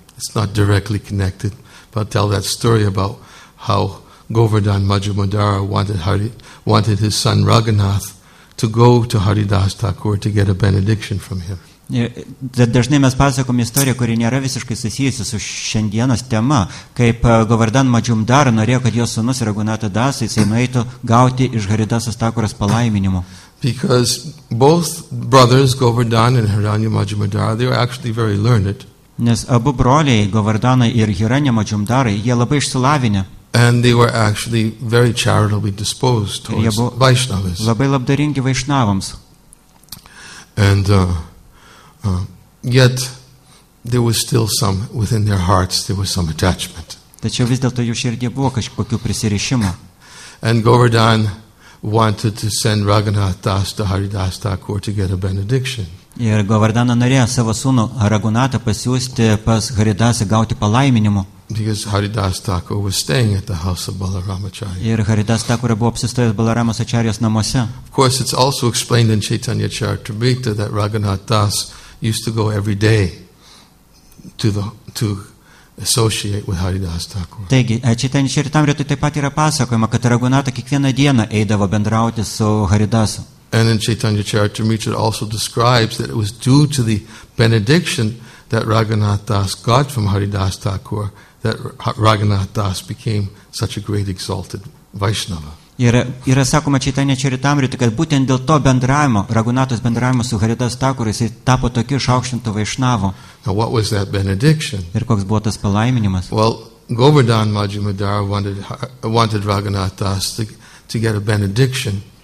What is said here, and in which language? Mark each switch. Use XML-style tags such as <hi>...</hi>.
<en>It's not directly connected, but tell that story about how Govardhan Majumdar wanted his son Raghunath to go to Haridas Thakur to get a benediction from him.</en> <lt>Dažnai mes pasakom istoriją, kuri nėra visiškai susijusi su šiandienos tema, kaip Govardhan Majumdar norėjo, kad jos sūnus Raghunath Das jisai nueitų gauti iš Haridas Thakuras palaiminimu.</lt> <en>Because both brothers, Govardhan and Hiranya Majumdar, they were actually very learned.</en> <lt>Nes abu broliai, Govardhanai ir Hiranya Majumdarai, jie labai išsilavinę.</lt> <en>And they were actually very charitably disposed towards Vaishnavas.</en> <lt>Labai labdaringi Vaishnavams.</lt> <en>Yet there was still some within their hearts there was some attachment.</en> <lt>Tačiau vis dėlto jų širdyje buvo kažkokių prisirišimų.</lt> <en>And Govardhan wanted to send Raghunath Das to Haridas Thakur to get a benediction.</en> <lt>Ir Govardhana norėjo savo sūnų Raghunatha pasiųsti pas Haridasą gauti palaiminimo.</lt> <en>Because Haridas Thakur was staying at the house of Balaramacharya.</en> <lt>Ir Haridas Thakur buvo apsistojęs Balaramos Acharyos namuose.</lt> <en>Of course it's also explained in Chaitanya Charitamrita that Raghunath Das used to go every day to associate with Haridas Thakur.</en> <lt>Taigi, Chaitanya Charitamrita taip pat yra pasakojama, kad Raghunatha kiekvieną dieną eidavo bendrauti su Haridasu.</lt> <en>And in Chaitanya Charitamrita also describes that it was due to the benediction that Raghunath Das got from Haridas Thakur that Raghunath Das became such a great exalted Vaishnava.</en> <lt>Yra sakoma Chaitanya Charitamrita, kad būtent dėl to bendravimo, Raghunathos bendravimo su Haridas Thakur, jis tapo tokiu išaukštintu Vaishnavu.</lt> <en>Now what was that benediction?</en> <lt>Ir koks buvo tas palaiminimas?</lt> <en>Well, Govardhan Majumdar wanted Raghunath Das to get a benediction.</en>